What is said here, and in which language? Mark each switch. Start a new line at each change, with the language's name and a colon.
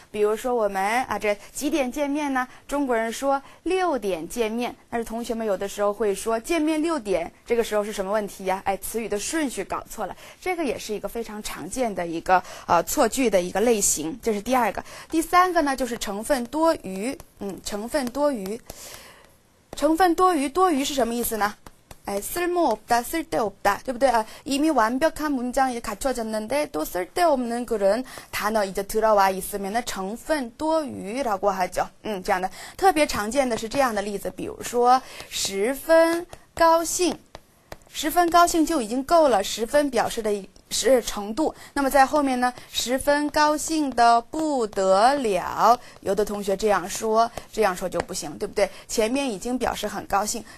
Chinese: 比如说我们啊，这几点见面呢？中国人说6点见面，但是同学们有的时候会说见面6点，这个时候是什么问题呀？哎，词语的顺序搞错了，这个也是一个非常常见的一个错句的一个类型。这是第二个，第三个呢，就是成分多余。成分多余。成分多余，多余是什么意思呢？
Korean: 쓸모없다, 쓸데없다, 对不对? 이미 완벽한 문장이 갖춰졌는데 또 쓸데없는 그런 단어 이제 들어와 있으면 成分多余라고 하죠.
Chinese: 这样的例子，比如说十分高兴，十分高兴就已经够了，十分表示的是程度。那么在后面呢，十分高兴的不得了，有的同学这样说，这样说就不行，对不对？前面已经表示很高兴，